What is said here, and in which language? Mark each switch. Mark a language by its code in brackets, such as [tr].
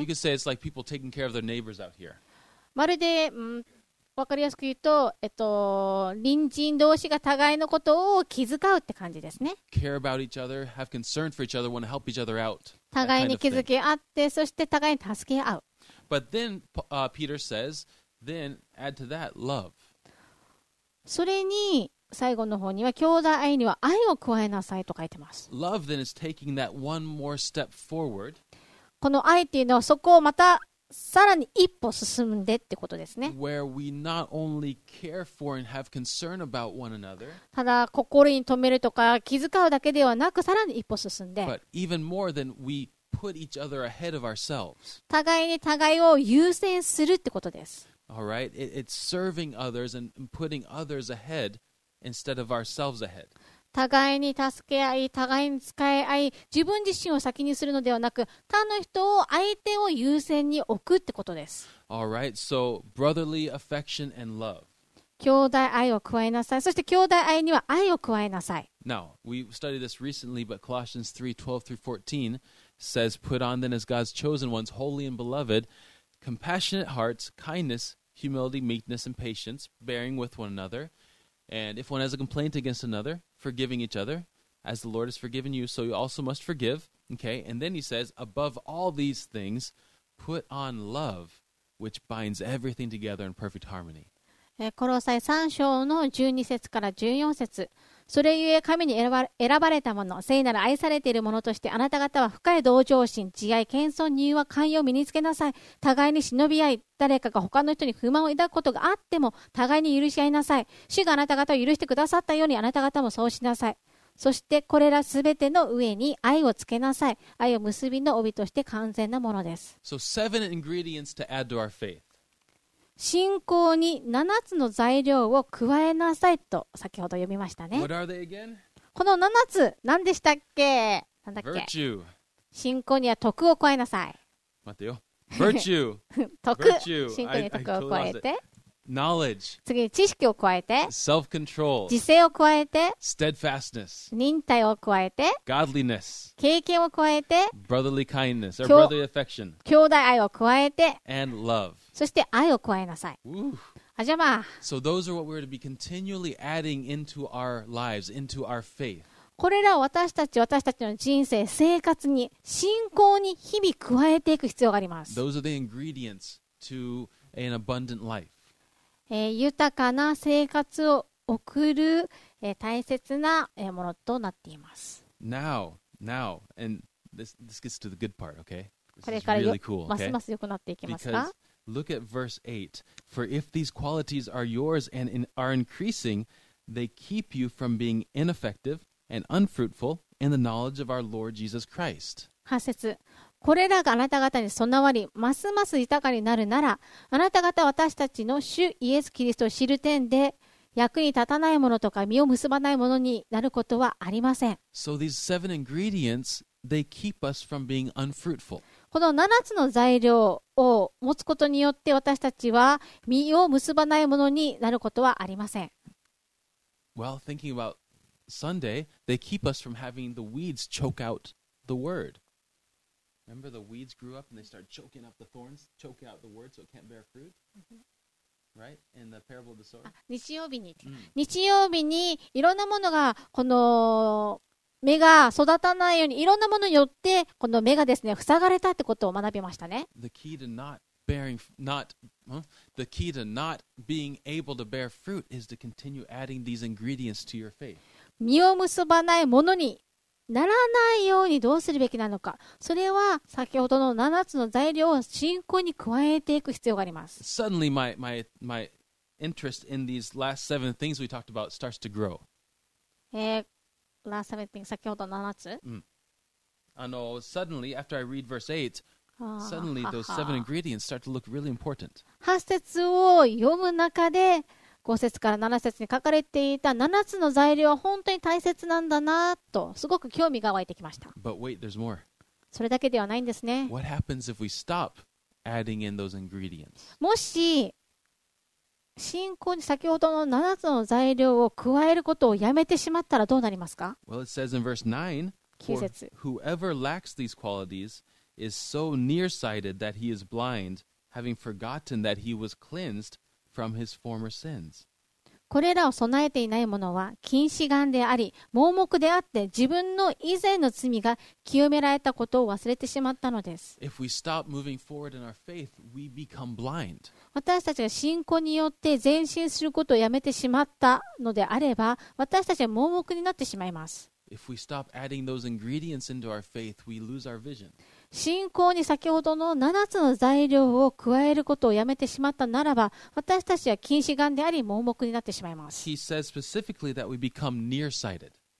[en] You could say it's like people taking care of their neighbors out here. [ja] まるで、わかりやすく言うと、隣人同士が互いのことを気遣うって感じですね。 [en] Care about each other, have concern for each other, want to help each other out. [ja] 互いに気づき合って、そして互いに助け合う。 [en] But then, Peter says, then add to that love. [ja] それに、最後の方には兄弟愛には愛を加えなさいと書いてます。 [en] Love, then, is taking that one more step forward. [ja] この愛っていうのはそこをまたさらに一歩進んでってことですね。 [en] Where we not only care for and have concern about one another, [ja] ただ心に留めるとか気遣うだけではなくさらに一歩進んで [en] But even more than we put each other ahead of ourselves. [ja] 互いに互いを優先するってことです。 [en] All right, it's serving others and putting others ahead instead of ourselves ahead. [ja] 互いに助け合い、互いに使い合い、自分自身を先にするのではなく、他の人を、相手を優先に置くってことです。 [en] All right, so brotherly affection and love. [ja] 兄弟愛を加えなさい。そして兄弟愛には愛を加えなさい。 [en] Now, we studied this recently, but Colossians 3:12-14 says, Put on then as God's chosen ones, holy and beloved, compassionate hearts, kindness, humility, meekness, and patience, bearing with one another. And if one has a complaint against another, forgiving each other, as the Lord has forgiven you, so you also must forgive. Okay, and then he says, Above all these things, put on love, which binds everything together in perfect harmony. [ja] コロサイ3章の12節から14節それゆえ神に選ばれた者聖なる愛されている者としてあなた方は深い同情心慈愛謙遜柔和寛容を身につけなさい互いに忍び合い誰かが他の人に不満を抱くことがあっても互いに許し合いなさい主があなた方を許してくださったようにあなた方もそうしなさいそしてこれらすべての上に愛をつけなさい愛を結びの帯として完全なものです [en] So seven ingredients to add to our faith. [ja] 信仰に7つの材料を加えなさいと先ほど読みましたね。 [en] What are they again? [ja] この7つ、何でしたっけ？何だっけ？ [en] Virtue. [ja] 信仰には徳を加えなさい。待ってよ。Virtue. 徳。 [en] Virtue. [ja] 信仰に徳を加えて。 [en] Knowledge. [ja] 次に知識を加えて。 [en] Self-control. [ja] 自制を加えて。 [en] Steadfastness. [ja] 忍耐を加えて。 [en] Godliness. [ja] 経験を加えて。 [en] Brotherly kindness or brotherly affection. [ja] 兄弟愛を加えて。 [en] And love. [ja] そして愛を加えなさい。あじゃま。 [en] So those are what we're to be continually adding into our lives, into our faith. [ja] これらを私たちの人生、生活に、信仰に日々加えていく必要があります。 [en] Those are the ingredients to an abundant life. [ja] 豊かな生活を送る、大切な、ものとなっています。 [en] Now, and this gets to the good part, okay? [ja] これから [en] really cool, okay? [ja] ますます良くなっていきますか [en] Because Look at verse 8. For if these qualities are yours and are increasing, they keep you from being ineffective and unfruitful in the knowledge of our Lord Jesus Christ. [ja] 8節。これらがあなた方に備わり、ますます豊かになるなら、あなた方私たちの主イエス・キリストを知る点で、役に立たないものとか身を結ばないものになることはありません。 [en] So these seven ingredients, they keep us from being unfruitful. [ja] この7つの材料を持つことによって私たちは身を結ばないものになることはありません。 [en] Well, thinking about Sunday, they keep us from having the weeds choke out the word. Remember the weeds grew up and they started choking up the thorns, choking out the word so it can't bear fruit? Right? In the parable of the sower? [ja] 日曜日に。日曜日にいろんなものがこの芽が育たないようにいろんなものによってこの芽がですね塞がれたってことを学びましたね。 [en] The key to not bearing not the key to not being able to bear fruit is to continue adding these ingredients to your faith. [ja] 実を結ばないものにならないようにどうするべきなのか。それは先ほどの7つの材料を信仰に加えていく必要があります。 [en] Suddenly my interest in these last seven things we talked about starts to grow. Last seven things, [ja] 先ほど7つ、 [en] suddenly, after I read verse 8, suddenly those seven ingredients start to look really important. [ja] 8節を読む中で、5節から7節に書かれていた7つの材料は本当に大切なんだなと、すごく興味が湧いてきました。 [en] But wait, there's more. [ja] それだけではないんですね。 [en] What happens if we stop adding in those ingredients? [ja] もし、信仰に先ほどの7つの材料を加えることをやめてしまったらどうなりますか [en] Well, it says in verse 9, 9節 Whoever lacks these qualities is so nearsighted that he is blind, having forgotten that he was cleansed from his former sins. [ja] これらを備えていない者は近視眼であり、盲目であって自分の以前の罪が清められたことを忘れてしまったのです。 [en] If we stop moving forward in our faith, we become blind. [ja] 私たちが信仰によって前進することをやめてしまったのであれば、私たちは盲目になってしまいます。 [en] If we stop adding those ingredients into our faith, we lose our vision. [ja] 信仰に先ほどの7つの材料を加えることをやめてしまったならば、私たちは近視眼であり盲目になってしまいます。 [en] He says specifically that we become nearsighted.